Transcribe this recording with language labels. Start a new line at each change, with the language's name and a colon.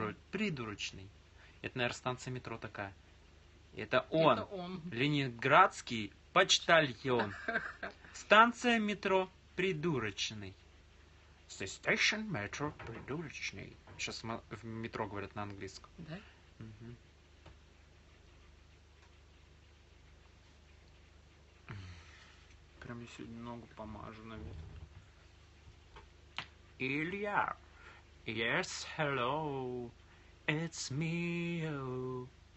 Russian: Придурочный. Это, наверное, станция метро такая. Это он. Ленинградский почтальон. Станция метро Придурочный.
English: The station metro Придурочный.
Russian: Сейчас в метро говорят на английском. Да? Прям я сегодня ногу помажу, наверное.
English: Илья. Yes, hello, it's me.